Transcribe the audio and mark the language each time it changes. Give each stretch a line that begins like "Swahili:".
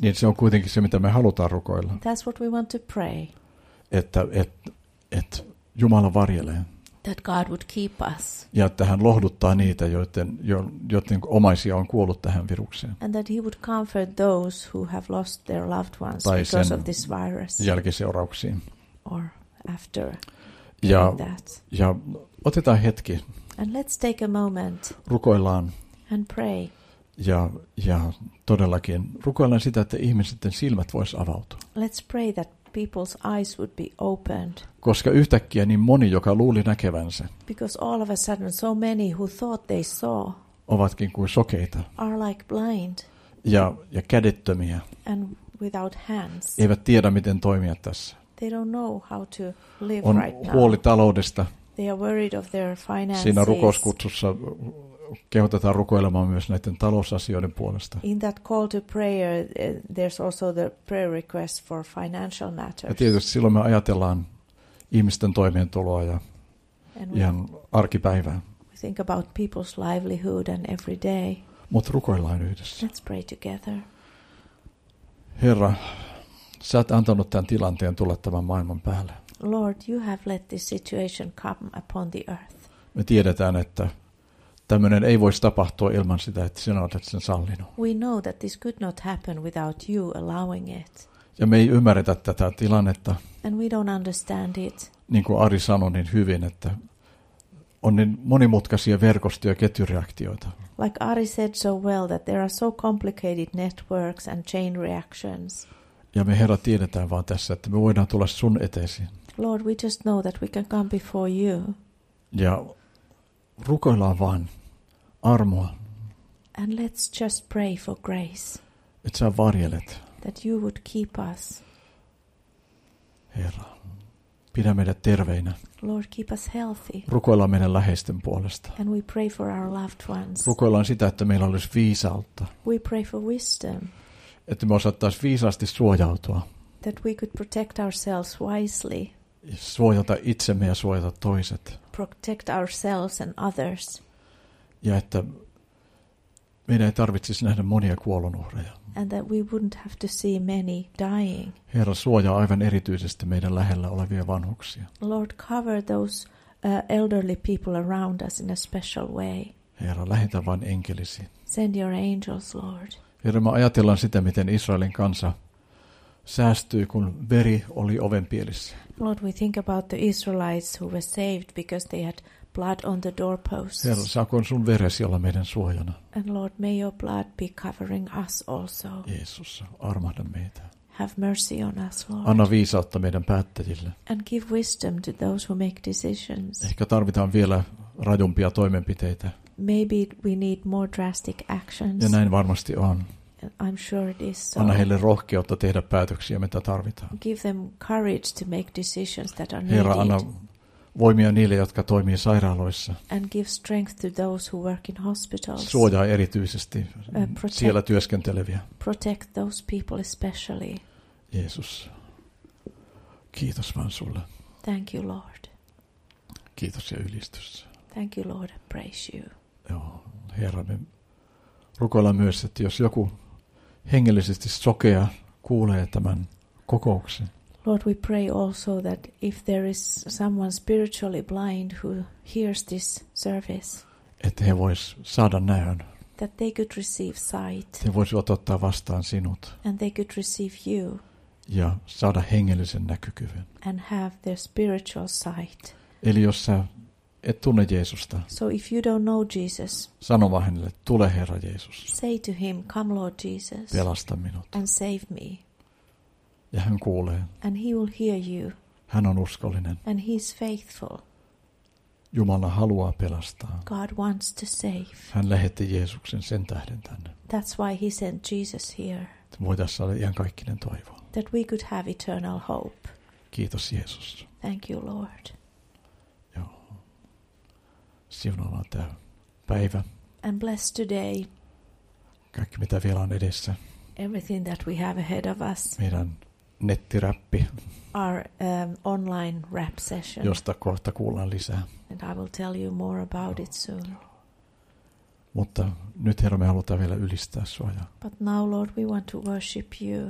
Finnish: Niin se on kuitenkin se, mitä me halutaan rukoilla.
English: That's what we want to pray.
Finnish: Että Jumala varjelee.
English: That God would keep us.
Finnish: Ja että hän lohduttaa niitä, joiden omaisia on kuollut tähän virukseen.
English: And that he would comfort those who have lost their loved ones because of this virus.
Finnish: Jälkiseurauksiin.
English: Or after.
Finnish: Ja otetaan hetki.
English: And let's take a moment.
Finnish: Rukoillaan.
English: And pray.
Finnish: Ja todellakin rukoillaan sitä, että ihmisten silmät vois avautua.
English: Let's pray that people's eyes would be opened.
Finnish: Koska yhtäkkiä niin moni, joka luuli näkevänsä.
English: Because all of a sudden so many who thought they saw.
Finnish: Ovatkin kuin sokeita.
English: Are like blind.
Finnish: Ja kädettömiä.
English: And without hands.
Finnish: Eivät tiedä, miten toimia tässä.
English: They don't know how to live on right now.
Finnish: On huoli taloudesta.
English: They are worried of their finances.
Finnish: Siinä rukouskutsussa kehotetaan rukoilemaan myös näiden talousasioiden puolesta.
English: In that call to prayer, there's also the prayer request for financial matters.
Finnish: Ja tietysti silloin me ajatellaan ihmisten toimeentuloa ja ihan arkipäivää.
English: We think about people's livelihood and every day.
Finnish: Mutta rukoillaan yhdessä.
English: Let's pray together.
Finnish: Herra, sä oot antanut tämän tilanteen tulla tämän maailman päälle.
English: Lord, you have let this situation come upon the earth.
Finnish: Me tiedetään, että tämmöinen ei voisi tapahtua ilman sitä, että sinä olet sen sallinut.
English: We know that this could not happen without you allowing it.
Finnish: Ja me ei ymmärretä tätä tilannetta.
English: And we don't understand it.
Finnish: Niin kuin Ari sanoi niin hyvin, että on niin monimutkaisia verkostoja ja ketjureaktioita.
English: Like Ari said so well, that there are so complicated networks and chain reactions.
Finnish: Ja me Herra tiedetään vaan tässä, että me voidaan tulla sun eteesiin.
English: Lord, we just know that we can come before you.
Finnish: Ja rukoillaan vaan armoa.
English: And let's just pray for grace.
Finnish: Että sä varjelet.
English: That you would keep us.
Finnish: Herra, pidä meidät terveinä.
English: Lord, keep us healthy.
Finnish: Rukoillaan meidän läheisten puolesta.
English: And we pray for our loved ones.
Finnish: Rukoillaan sitä, että meillä olisi viisautta.
English: We pray for wisdom.
Finnish: Että me osattaisiin viisaasti suojautua.
English: That we could protect ourselves wisely.
Finnish: Suojata itsemme ja suojata toiset.
English: Protect ourselves and others.
Finnish: Ja että meidän ei tarvitsisi nähdä monia kuolonuhreja.
English: And that we wouldn't have to see many dying.
Finnish: Herra, suojaa aivan erityisesti meidän lähellä olevia vanhuksia.
English: Lord, cover those elderly people around us in a special way.
Finnish: Herra, lähetä vain enkelisi.
English: Send your angels, Lord.
Finnish: Herra, me ajatellaan sitä, miten Israelin kansa säästyi, kun veri oli ovenpielissä.
English: Lord, we think about the Israelites who were saved because they had blood on the doorposts.
Finnish: Herra, saakoon sun veresi olla meidän suojana.
English: And Lord, may your blood be covering us also.
Finnish: Jeesus, armahda meitä.
English: Have mercy on us, Lord.
Finnish: Anna viisautta meidän päättäjille.
English: And give wisdom to those who make decisions.
Finnish: Ehkä tarvitaan vielä rajumpia toimenpiteitä.
English: Maybe we need more drastic actions.
Finnish: Ja näin varmasti on.
English: I'm sure it is so.
Finnish: Anna heille rohkeutta tehdä päätöksiä, mitä tarvitaan.
English: Give them courage to make decisions that are needed.
Finnish: Herra, anna voimia niille, jotka toimii sairaaloissa.
English: And give strength to those who work in hospitals.
Finnish: Suojaa erityisesti siellä työskenteleviä.
English: Protect those people especially.
Finnish: Jeesus, kiitos vaan sulle.
English: Thank you, Lord.
Finnish: Kiitos ja ylistys.
English: Thank you, Lord, and praise you.
Finnish: Joo, Herra, me rukoillaan myös, että jos joku hengellisesti sokea kuulee tämän kokouksen.
English: Lord, we pray also that if there is someone spiritually blind who hears this service,
Finnish: että he vois saada näön.
English: That they could receive sight.
Finnish: He vois ottaa vastaan sinut.
English: And they could receive you.
Finnish: Ja saada hengellisen näkökyvyn.
English: And have their spiritual sight.
Finnish: Eli jos sä et tunne Jeesusta.
English: So if you don't know Jesus.
Finnish: Sano vaan hänelle, tule Herra Jeesus.
English: Say to him, come Lord Jesus.
Finnish: Pelasta minut.
English: And save me.
Finnish: Ja hän kuulee.
English: And he will hear you.
Finnish: Hän on uskollinen.
English: And he is faithful.
Finnish: Jumala haluaa pelastaa.
English: God wants to save.
Finnish: Hän lähetti Jeesuksen sen tähden tänne.
English: That's why he sent Jesus here.
Finnish: Voitaisiin olla iankaikkinen toivo.
English: That we could have eternal hope.
Finnish: Kiitos Jeesus.
English: Thank you Lord.
Finnish: Siunaa tämä päivä.
English: And bless today.
Finnish: Kaikki mitä vielä on edessä.
English: Everything that we have ahead of us.
Finnish: Meidän nettiräppi.
English: Our online rap session.
Finnish: Josta kohta kuullaan lisää.
English: And I will tell you more about it soon.
Finnish: Mutta nyt Herra, me halutaan vielä ylistää sua ja.
English: But now Lord, we want to worship you.